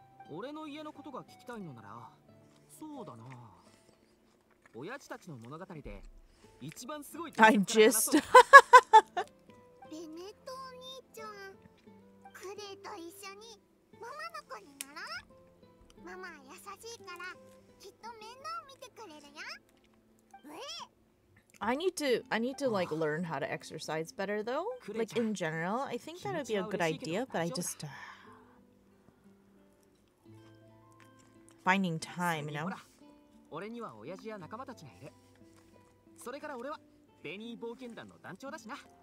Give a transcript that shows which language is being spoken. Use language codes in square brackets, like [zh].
[ja] 俺の家のことが聞きたいのなら、そうだな、親父たちの物語で一番すごい。 [en] I just [ja] ベネットお兄ちゃん、クレイと一緒にママの子になろう。ママは優しいからきっと面倒を見てくれるよ。 [en] I need to like learn how to exercise better though. Like in general, I think that would be a good idea, but I just finding time, you know. [ja] 俺には親父や仲間たちがいる。それから俺はベニー冒険団の団長だしな。